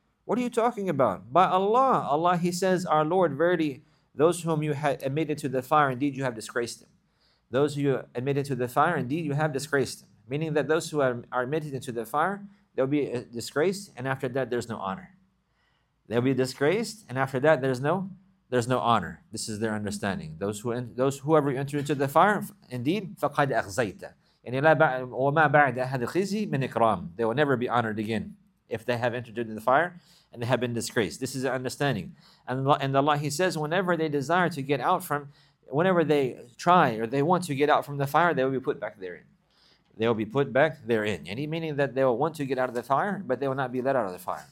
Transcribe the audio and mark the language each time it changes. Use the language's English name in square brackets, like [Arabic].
[English] What are you talking about? By Allah, Allah, he says, our Lord, verily, those whom you had admitted to the fire, indeed you have disgraced them. Those who you admitted to the fire, indeed you have disgraced them. Meaning that those who are admitted into the fire, they'll be disgraced, and after that, there's no honor. They'll be disgraced, and after that, there's no honor. This is their understanding. Whoever enter into the fire, indeed, [Arabic] فَقَدْ أَخْزَيْتَ وَمَا بَعْدَ هَذِ الْخِزِي مِنْ إِكْرَامِ. [English] They will never be honored again if they have entered into the fire and they have been disgraced. This is their understanding. And Allah, he says, whenever they desire to get out from, whenever they try or they want to get out from the fire, they will be put back therein. They will be put back therein. Any meaning that they will want to get out of the fire, but they will not be let out of the fire.